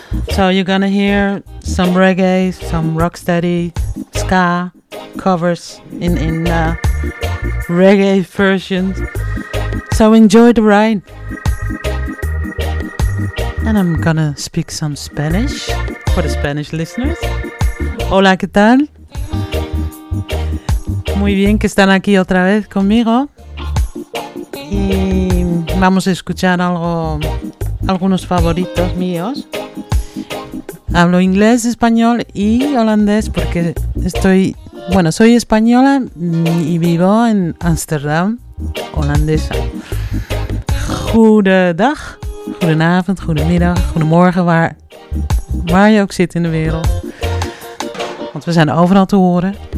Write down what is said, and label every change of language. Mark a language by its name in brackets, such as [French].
[English] So you're gonna hear some reggae, some rocksteady, ska covers in reggae versions. So enjoy the ride. And I'm gonna speak some Spanish for the Spanish listeners. [Spanish] Hola, ¿qué tal? Muy bien que están aquí otra vez conmigo. Y vamos a escuchar algo, algunos favoritos míos. Hablo inglés, español y holandés porque estoy, bueno, soy española y vivo en Amsterdam, holandesa. [Dutch] Goedendag, goedenavond, goedemiddag, goedemorgen, waar je ook zit in de wereld. Want we zijn overal te horen.